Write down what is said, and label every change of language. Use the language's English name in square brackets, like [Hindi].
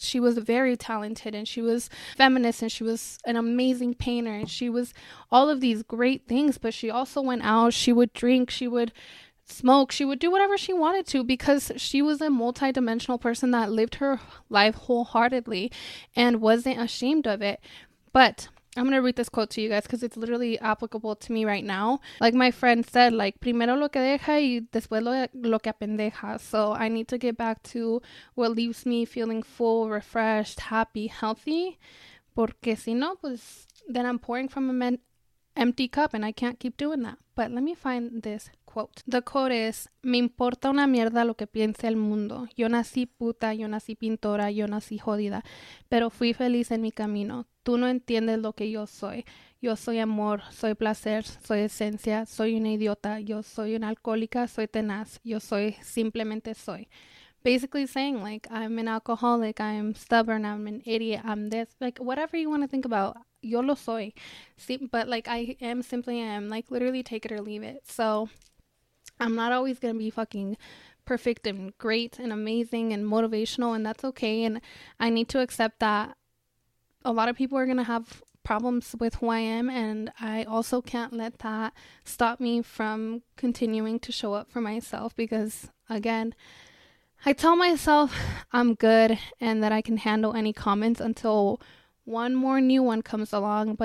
[English] She was very talented and she was feminist and she was an amazing painter and she was all of these great things, but she also went out, she would drink, she would smoke, she would do whatever she wanted to, because she was a multidimensional person that lived her life wholeheartedly and wasn't ashamed of it. But I'm going to read this quote to you guys because it's literally applicable to me right now. Like my friend said, like, [Spanish] primero lo que deja y después lo que apendeja. [English] So I need to get back to what leaves me feeling full, refreshed, happy, healthy. [Spanish] Porque si no, pues, [English] then I'm pouring from an empty cup and I can't keep doing that. But let me find this quote. The quote is, [Spanish] me importa una mierda lo que piense el mundo. Yo nací puta, yo nací pintora, yo nací jodida, pero fui feliz en mi camino. Tú no entiendes lo que yo soy. Yo soy amor, soy placer, soy esencia, soy una idiota, yo soy una alcohólica, soy tenaz, yo soy, simplemente soy. [English] Basically saying, like, I'm an alcoholic, I'm stubborn, I'm an idiot, I'm this, like, whatever you want to think about, [Spanish] yo lo soy. [English] See, but, like, I am simply am, like, literally take it or leave it. So, I'm not always going to be fucking perfect and great and amazing and motivational, and that's okay, and I need to accept that a lot of people are going to have problems with who I am, and I also can't let that stop me from continuing to show up for myself, because, again, I tell myself I'm good and that I can handle any comments until one more new one comes along.